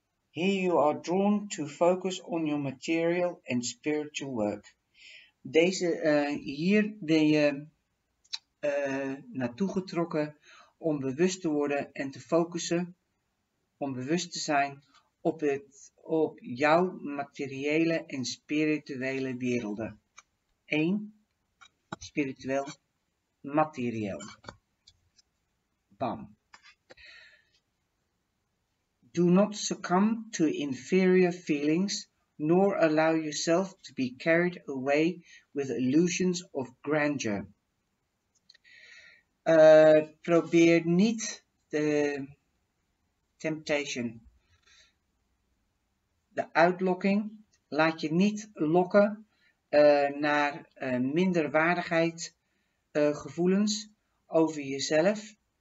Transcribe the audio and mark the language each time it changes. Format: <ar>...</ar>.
<en>Here you are drawn to focus on your material and spiritual work.</en> <nl>Deze, hier ben je naartoe getrokken om bewust te worden en te focussen, om bewust te zijn op jouw materiële en spirituele werelden. 1. Spiritueel, materieel. Bam.</nl> <en>Do not succumb to inferior feelings. Nor allow yourself to be carried away with illusions of grandeur.</en> <nl>Probeer niet de temptation, de uitlokking. Laat je niet lokken naar minderwaardigheid gevoelens over jezelf.</nl>